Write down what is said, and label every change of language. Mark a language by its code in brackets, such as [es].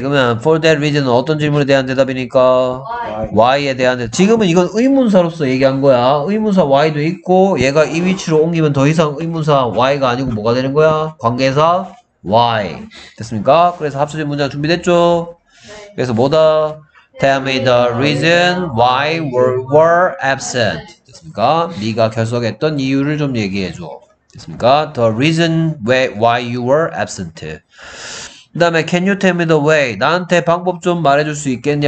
[ko] 그러면 [en] for that reason [ko] 은 어떤 질문에 대한 대답이니까 [en] why. [ko] why에 대한 대답. 지금은 이건 의문사로서 얘기한 거야. 의문사 why도 있고 얘가 이 위치로 옮기면 더 이상 의문사 why가 아니고 뭐가 되는 거야? 관계사 why. 됐습니까? 그래서 합쳐진 문장 준비됐죠? 그래서 뭐다? [en] Tell me the reason why we were absent. [ko] 됐습니까? 네가 결석했던 이유를 좀 얘기해줘. 됐습니까? [en] The reason why you were absent. [ko] 그 다음에 [en] can you tell me the way? [ko] 나한테 방법 좀 말해줄 수 있겠니?